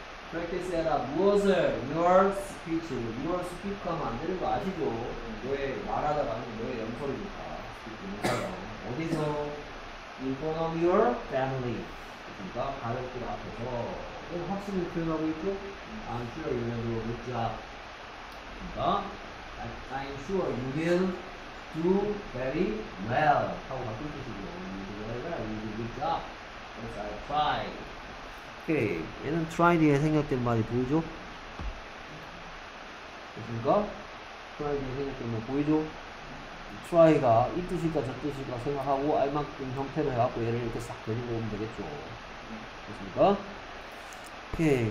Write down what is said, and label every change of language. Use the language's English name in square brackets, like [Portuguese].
[Korean] Practice 해라. 무엇을? [English] Your speech. Your speech [Korean] 하면 안 되는 거 아시죠? 너의 말하다가 너의 연설이니까. 어디서? [English] In front of your family. [Korean] 그러니까 가족들 앞에서. 확신을 표현하고 있죠? [English] I'm sure you will do a good job. 그러니까 I'm sure you will do very well. [Korean] 하고 바꿀 뜻이죠. [English] You will do very well. You will do a good job. Yes, I'll try. [Korean] 오케이. 얘는 try 뒤에 생략된 말이 보이죠? 됐습니까? try 뒤에 생략된 말 보이죠? try가 이 뜻일까 저 뜻일까 생각하고 알만큼 형태로 해갖고 얘를 이렇게 싹 데리고 오면 되겠죠. 됐습니까? 오케이.